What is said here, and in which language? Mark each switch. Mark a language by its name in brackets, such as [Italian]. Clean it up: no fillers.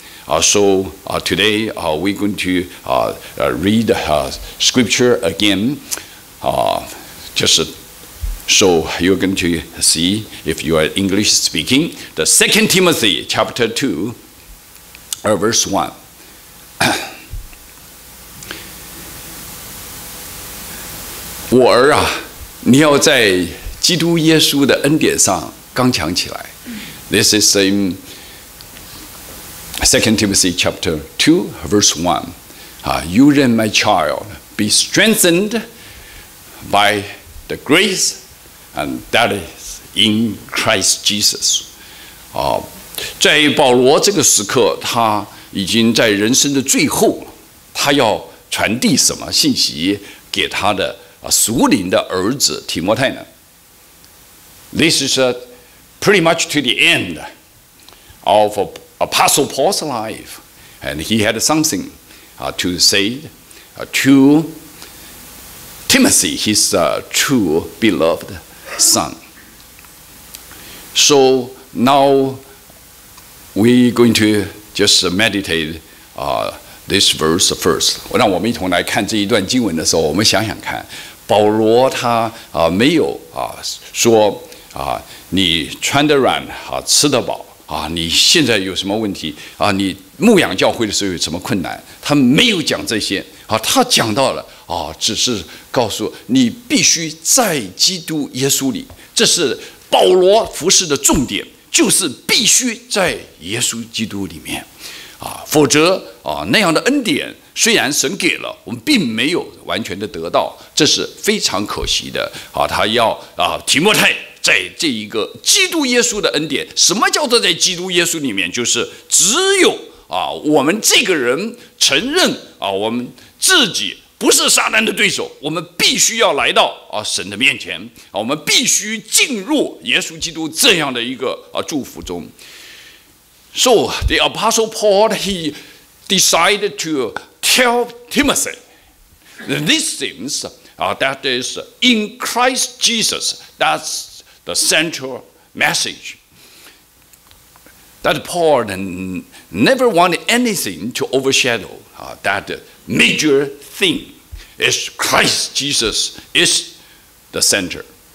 [English] Today we're going to read scripture again, so you're going to see if you are English speaking, the 2 Timothy chapter 2, verse 1. [Chinese] 我儿啊，你要在基督耶稣的恩典上刚强起来。 [English] This is in 2 Timothy chapter 2, verse 1. You then, my child, be strengthened by the grace and that is in Christ Jesus. [Chinese] 在保罗这个时刻，他已经在人生的最后，他要传递什么信息给他的属灵的儿子提摩太呢 [English] This is pretty much to the end of Apostle Paul's life, and he had something to say to Timothy, his true beloved son. So now we're going to just meditate this verse first. [Chinese] 让我们一同来看这一段经文的时候，我们想想看。保罗他没有说你穿得软吃得饱你现在有什么问题你牧养教会的时候有什么困难他没有讲这些他讲到了只是告诉你必须在基督耶稣里这是保罗服事的重点就是必须在耶稣基督里面，否则那样的恩典虽然神给了，我们并没有完全的得到，这是非常可惜的。他要提摩太在这一个基督耶稣的恩典，什么叫做在基督耶稣里面，就是只有我们这个人承认我们自己不是撒旦的对手，我们必须要来到神的面前，我们必须进入耶稣基督这样的一个祝福中。 [English] So the Apostle Paul, he decided to tell Timothy these things that is in Christ Jesus, that's the central message. That Paul never wanted anything to overshadow that major thing is Christ Jesus is the center.